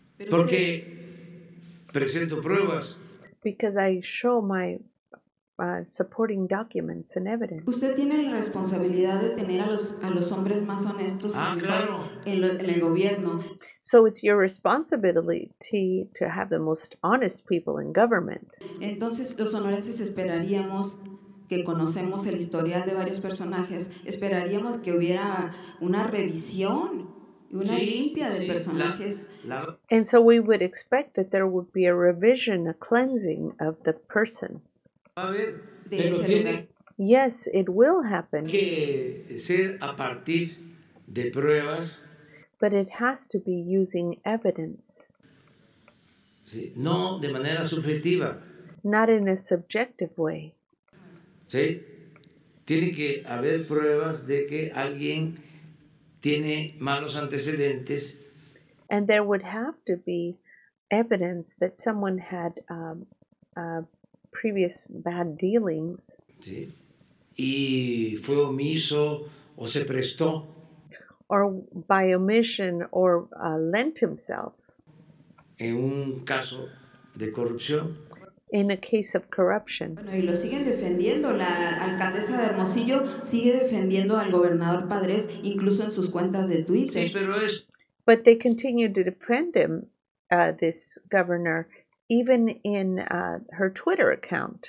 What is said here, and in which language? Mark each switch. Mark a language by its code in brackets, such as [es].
[es] Porque presento pruebas. [en] Because I show my supporting documents and evidence. [es] Usted tiene la responsabilidad de tener a los hombres más honestos y mejores en el gobierno. [en] So it's your responsibility to have the most honest people in government. [es] Entonces, los sonorenses esperaríamos que conocemos el historial de varios personajes, esperaríamos que hubiera una revisión, una sí, limpia de sí, personajes. [en] And so we would expect that there would be a revision, a cleansing of the persons. [es] A ver, de pero ese tiene [en] yes, it will happen. [es] Que ser a partir de pruebas. [en] But it has to be using evidence. [es] Sí, no de manera subjetiva. [en] Not in a subjective way. [es] Sí. Tiene que haber pruebas de que alguien tiene malos antecedentes. [en] And there would have to be evidence that someone had previous bad dealings. [es] Sí. Y fue omiso o se prestó. [en] Or by omission, or lent himself. [es] En un caso de corrupción. [en] In a case of corruption. [es] Bueno, y lo siguen defendiendo. La alcaldesa de Hermosillo sigue defendiendo al gobernador Padres, incluso en sus cuentas de Twitter. Sí, pero es. [en] But they continue to defend him, this governor, even in her Twitter account.